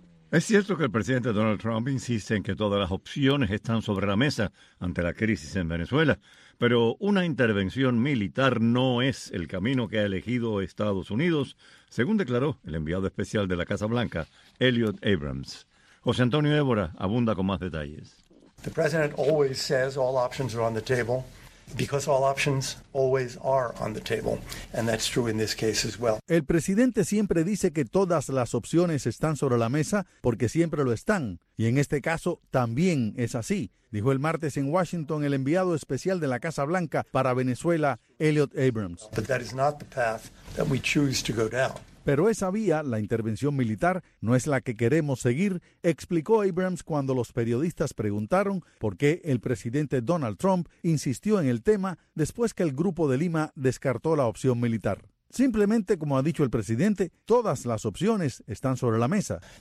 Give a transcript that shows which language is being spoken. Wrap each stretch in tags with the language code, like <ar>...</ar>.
<es>Es cierto que el presidente Donald Trump insiste en que todas las opciones están sobre la mesa ante la crisis en Venezuela, pero una intervención militar no es el camino que ha elegido Estados Unidos, según declaró el enviado especial de la Casa Blanca, Elliot Abrams. José Antonio Évora abunda con más detalles.</es> <en>The president always says all options are on the table because all options always are on the table, and that's true in this case as well.</en> <es>El presidente siempre dice que todas las opciones están sobre la mesa porque siempre lo están, y en este caso también es así, dijo el martes en Washington el enviado especial de la Casa Blanca para Venezuela, Elliot Abrams.</es> <en>But that is not the path that we choose to go down.</en> <es>Pero esa vía, la intervención militar, no es la que queremos seguir, explicó Abrams cuando los periodistas preguntaron por qué el presidente Donald Trump insistió en el tema después que el Grupo de Lima descartó la opción militar. Simplemente, como ha dicho el presidente, todas las opciones están sobre la mesa.</es>